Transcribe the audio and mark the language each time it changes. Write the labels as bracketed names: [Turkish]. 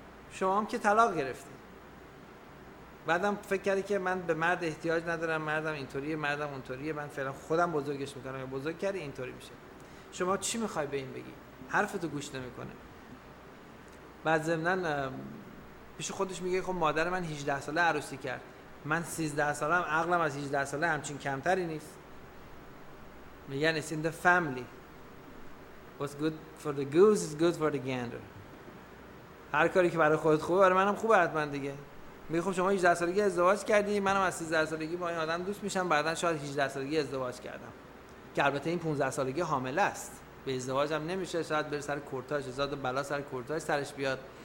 [Persian] شما هم که طلاق گرفتی، بعدم فکر کردی که من به مرد احتیاج ندارم، مردم اینطوریه، مردم اونطوریه، من فعلا خودم بزرگش میکنم، بزرگ کردی اینطوری میشه. شما چی میخوای به این بگی؟ حرفتو گوش نمیکنه. بعد ضمناً پیش خودش میگه خب مادر من 18 ساله عروسی کرد، من 13 سالم، عقلم از 18 ساله همچین کمتری نیست. میگن [English] it's in the family. What's good for the goose is good for the gander. [Persian] هر کاری که برای خودت خوبه برای منم خوبه حتما دیگه. میگه خب شما 18 سالگی ازدواج کردی، منم از 13 سالگی با این آدم دوست میشم، بعدا شاید 18 سالگی ازدواج کردم. که البته این 15 سالگی حامله است. به ازدواجم نمیشه، شاید بره سر کورتاژ، زاد بلا سر کورتاژ سرش بیاد.